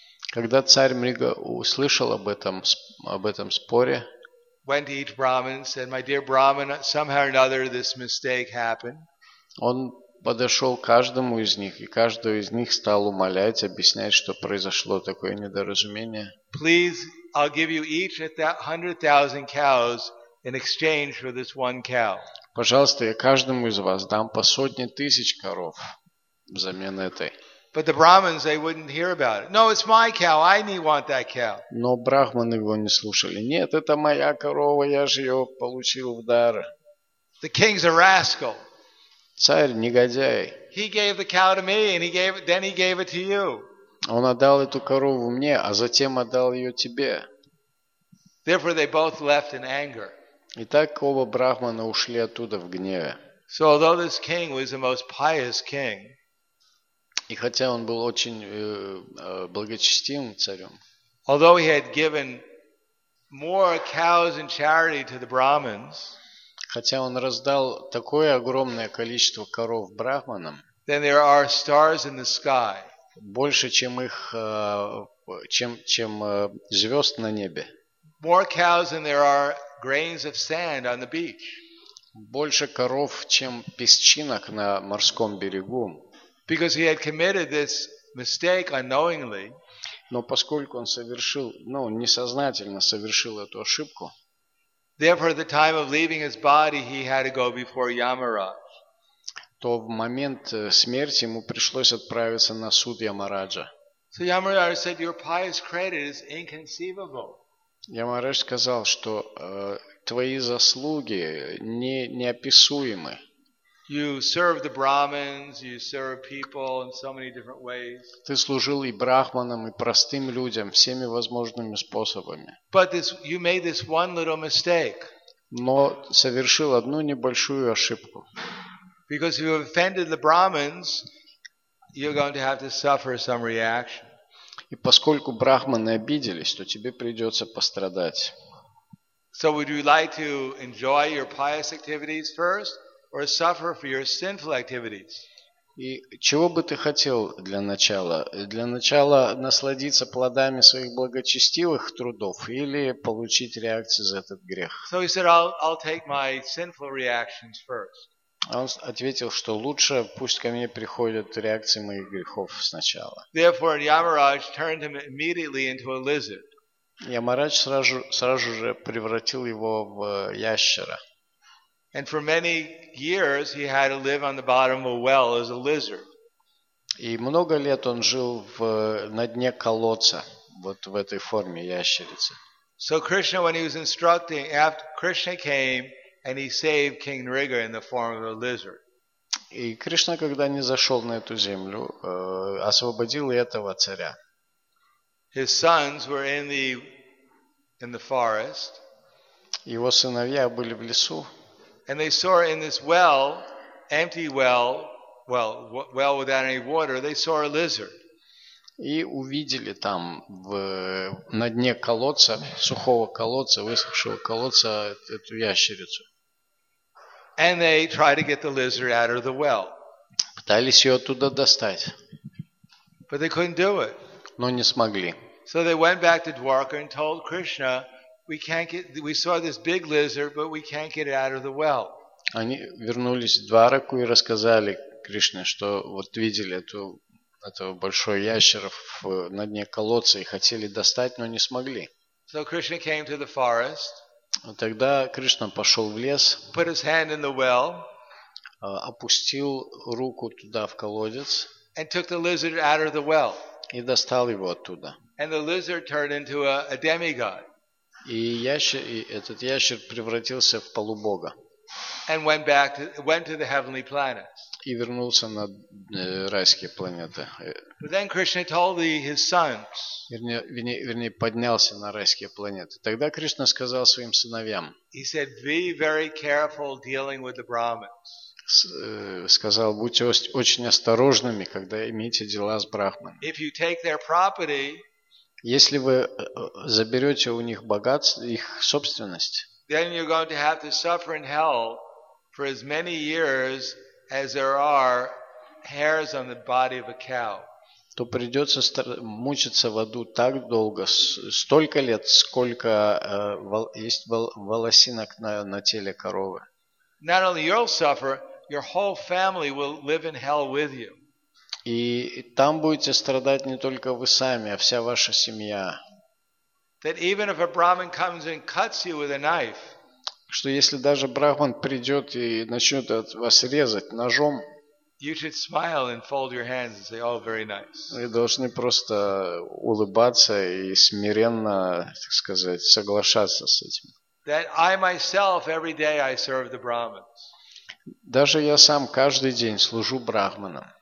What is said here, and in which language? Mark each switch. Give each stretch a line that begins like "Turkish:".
Russian: Когда царь Мрига услышал об этом споре,
English: went to each Brahmin and said, "My dear Brahmin, somehow or another this mistake happened."
Russian: Он подошел к каждому из них, и каждого из них стал умолять, объяснять, что произошло такое недоразумение.
English: Please, I'll give you each 100,000 cows in exchange for this one cow.
Russian: Пожалуйста, я каждому из вас дам по сотне тысяч коров взамен этой.
English: But the Brahmins, they wouldn't hear about it. No, it's my cow. I need want that cow.
Russian: Но брахманы его не слушали. Нет, это моя корова, я же ее получил в дар.
English: The king's a rascal.
Russian: Царь негодяй.
English: He gave the cow to me and then he gave it to you.
Russian: Он отдал эту корову мне, а затем отдал ее тебе.
English: Therefore, they both left in anger.
Russian: Итак, оба брахмана ушли оттуда в гневе.
English: So, although this king was the most pious king,
Russian: и хотя он был очень благочестивым царем,
English: although he had given more cows and charity to the Brahmins,
Russian: хотя он раздал такое огромное количество коров брахманам,
English: than there are stars in the sky.
Russian: Больше, чем их, чем звезд на небе.
English: More cows than there are grains of sand on the beach.
Russian: Больше коров, чем песчинок на морском берегу.
English: Because he had committed this mistake unknowingly.
Russian: Но поскольку он совершил, ну, несознательно совершил эту ошибку.
English: Therefore, at the time of leaving his body, he had to go before Yamaraj.
Russian: То в момент смерти ему пришлось отправиться на суд Ямараджа.
English: So Yamaraj said, "Your pious credit is inconceivable."
Russian: Ямарадж сказал, что твои заслуги неописуемы.
English: You serve the Brahmins, you serve people in so many different ways.
Russian: Ты служил и брахманам, и простым людям всеми возможными способами.
English: But this, you made this one little mistake.
Russian: Но совершил одну небольшую ошибку.
English: Because if you have offended the Brahmins, you're going to have to suffer some reaction.
Russian: И поскольку брахманы обиделись, то тебе придется пострадать.
English: So would you like to enjoy your pious activities first, or suffer for your sinful activities?
Russian: И чего бы ты хотел для начала? Для начала насладиться плодами своих благочестивых трудов или получить реакции за этот грех?
English: So he said, I'll take my sinful reactions first.
Russian: Он ответил, что лучше пусть ко мне приходят реакции моих грехов сначала.
English: Therefore, Yamaraj turned him immediately into a lizard.
Russian: Ямарадж сразу же превратил его в ящера.
English: And for many years he had to live on the bottom of a well as a lizard.
Russian: И много лет он жил на дне колодца, вот в этой форме ящерицы.
English: So Krishna, when he was instructing, after Krishna came, and he saved King Nriga in the form of a lizard.
Russian: И Кришна, когда не зашел на эту землю, освободил этого царя.
English: His sons were in the forest.
Russian: Его сыновья были в лесу.
English: And they saw in this well, empty well, well without any water, they saw a lizard.
Russian: И увидели там на дне колодца, сухого колодца, высохшего колодца эту ящерицу.
English: And they try to get the lizard out of the well.
Russian: Пытались ее оттуда достать.
English: But they couldn't do it.
Russian: Но не смогли.
English: So they went back to Dwarka and told Krishna, we saw this big lizard, but we can't get it out of the well.
Russian: Они вернулись в Двараку и рассказали Кришне, что вот видели этого большого ящера на дне колодца и хотели достать, но не смогли.
English: So Krishna came to the forest.
Russian: Тогда Кришна пошел в лес,
English: put his hand in the well,
Russian: опустил руку туда в колодец
English: and took the lizard out of the well.
Russian: И достал его оттуда.
English: And the lizard turned into a demigod.
Russian: И этот ящер превратился в полубога.
English: And went to the heavenly planets.
Russian: И вернулся на райские планеты.
English: But then Krishna told his sons.
Russian: Вернее, поднялся на райские планеты. Тогда Кришна сказал своим сыновьям.
English: He said, "Be very careful dealing with the Brahmins."
Russian: Сказал, будьте очень осторожными, когда имеете дела с брахманами.
English: If you take their property,
Russian: если вы заберете у них богатство, их собственность,
English: then you're going to have to suffer in hell for as many years as there are hairs on the body of a cow.
Russian: То придется мучиться в аду так долго, столько лет, сколько есть волосинок на теле коровы.
English: Not only you'll suffer, your whole family will live in hell with you.
Russian: И там будете страдать не только вы сами, а вся ваша семья.
English: That even if a Brahmin comes and cuts you with a knife,
Russian: что если даже брахман придет и начнет вас резать ножом,
English: you should smile and fold your hands and say, "Oh, very nice."
Russian: Вы должны просто улыбаться и смиренно, так сказать, соглашаться с этим.
English: That I myself every day I serve the Brahmins.
Russian: Даже я сам каждый день служу брахманам.